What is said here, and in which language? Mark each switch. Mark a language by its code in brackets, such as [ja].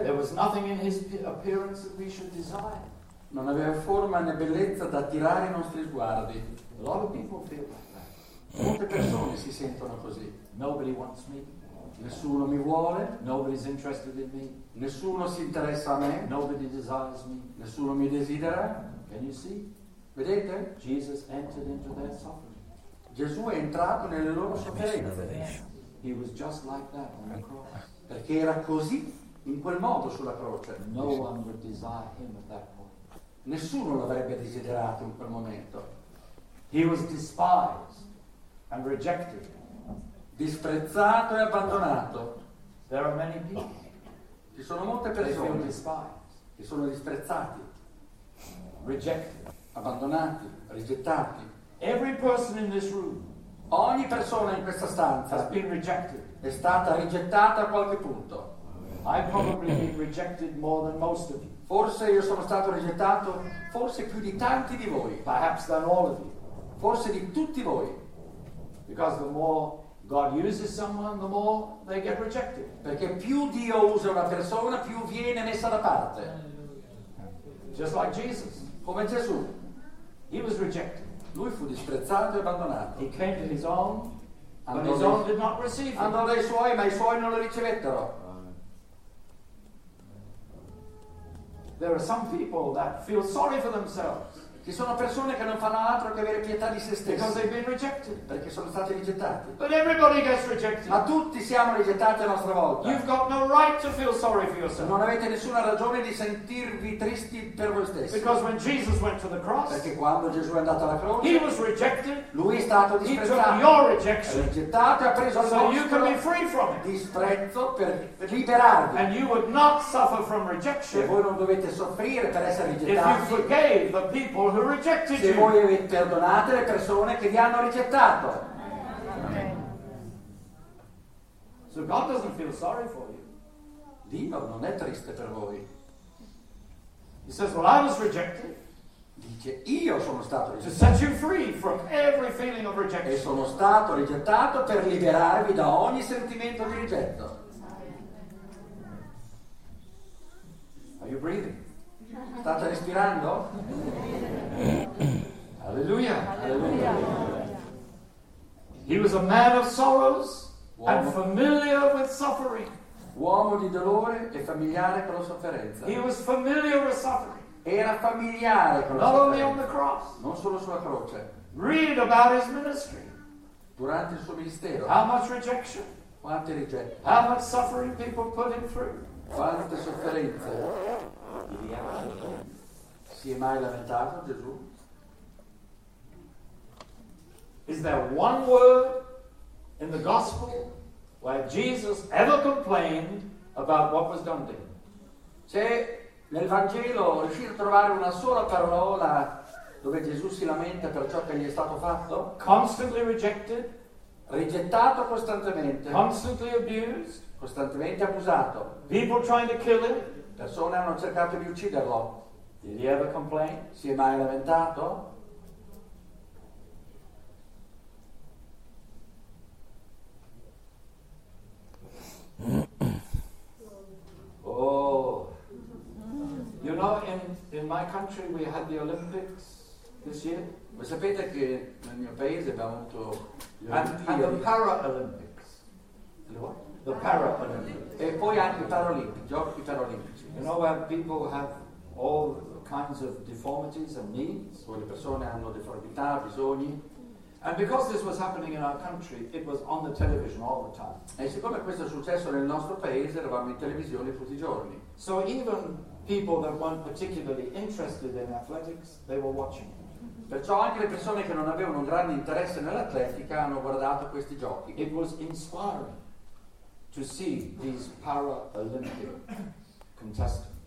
[en] there was nothing in his appearance that we should desire. [it] Non aveva forma né bellezza da attirare i nostri sguardi. [en] A lot of people feel like that. [it] Molte persone si sentono così. [en] Nobody wants me. [it] Nessuno mi vuole. [en] Nobody's interested in me. [it] Nessuno si interessa a me. [en] Nobody desires me. [it] Nessuno mi desidera. [en] Can you see? [it] Vedete? [en] Jesus entered into their suffering. [it] Gesù è entrato nelle loro sofferenze. [en] He was just like that on the cross. [it] Perché era così in quel modo sulla croce. [en] No one would desire him at that point. [it] Nessuno l'avrebbe desiderato in quel momento. [en] He was despised and rejected. [it] Disprezzato e abbandonato. [en] There are many people. [it] Ci sono molte persone [en] despised, [it] che sono disprezzati, [en] rejected, [it] abbandonati, rigettati. [en] Every person in this room, [it] ogni persona in questa stanza, [en] has been rejected, [it] è stata rigettata a qualche punto. [en] I probably been rejected more than most of you. [it] Forse io sono stato rigettato, forse più di tanti di voi. [en] Perhaps than all of you. [it] Forse di tutti voi. [en] Because the more God uses someone, the more they get rejected. [it] Perché più Dio usa una persona, più viene messa da parte. [en] Just like Jesus. [it] Come Gesù. [en] He was rejected. [it] Lui fu disprezzato e abbandonato. [en] He came to his own, and but his own did not receive him. [it] Andò dai suoi, ma i suoi non lo ricevettero. [en] There are some people that feel sorry for themselves. [it] Ci sono persone che non fanno altro che avere pietà di se stessi. Perché sono stati rigettati. [en] But everybody gets rejected. [it] Ma tutti siamo rigettati a nostra volta. [en] You've got no right to feel sorry for yourself. [it] Non avete nessuna ragione di sentirvi tristi per voi stessi. [en] Because when Jesus went to the cross, [it] perché quando Gesù è andato alla croce, [en] he was rejected, [it] lui è stato disprezzato. [en] He took your rejection. [it] Rigettato e ha preso [en] so [it] il [en] you can be free from it. [it] Disprezzo per liberarvi. [en] And you would not suffer from rejection. [it] E voi non dovete soffrire per essere rigettati. [en] If you forgave the people who rejected [it] se voi perdonate le persone che vi hanno rigettato. [en] So God doesn't feel sorry for you. [it] Dio non è triste per voi. [en] He says, "Well, I was rejected." [it] Dice, io sono stato rigettato. [en] To set you free from every feeling of rejection. [it] E sono stato rigettato per liberarvi da ogni sentimento di rigetto. [en] Are you breathing? [it] State respirando? [en] Alleluia. [it] Alleluia. [en] He was a man of sorrows and familiar with suffering. [it] Uomo di dolore e familiare con la sofferenza. [en] He was familiar with suffering. [it] Era familiare con la sofferenza. [en] Not only on the cross. [it] Non solo sulla croce. [en] Read about his ministry. [it] Durante il suo ministero. [en] How much rejection? [it] Quante rigetti? [en] How much suffering people put him through? [it] Quante sofferenze? Si è mai lamentato Gesù? [en] Is there one word in the gospel where Jesus ever complained about what was done to him? [it] C'è nel Vangelo riuscire a trovare una sola parola dove Gesù si lamenta per ciò che gli è stato fatto? [en] Constantly rejected, [it] rigettato costantemente. [en] Constantly abused, [it] costantemente abusato. [en] People trying to kill him. [it] Persone hanno cercato di ucciderlo. [en] Did he ever complain? [it] Si è mai lamentato? [en] Oh, you know, in my country we had the Olympics this year. [it] Voi sapete che nel mio paese abbiamo avuto [en] the Paralympics. The Paralympics. [it] E poi anche i Paralimpici, giochi paralimpici. [en] You know where people have all kinds of deformities and needs? [it] Dove le persone hanno deformità, bisogni. [en] And because this was happening in our country, it was on the television all the time. [it] E siccome questo è successo nel nostro paese, eravamo in televisione tutti i giorni. [en] So even people that weren't particularly interested in athletics, they were watching. [it] Perciò anche le persone che non avevano un grande interesse nell'atletica hanno guardato questi giochi. [en] It was inspiring to see these Paralympic contestants.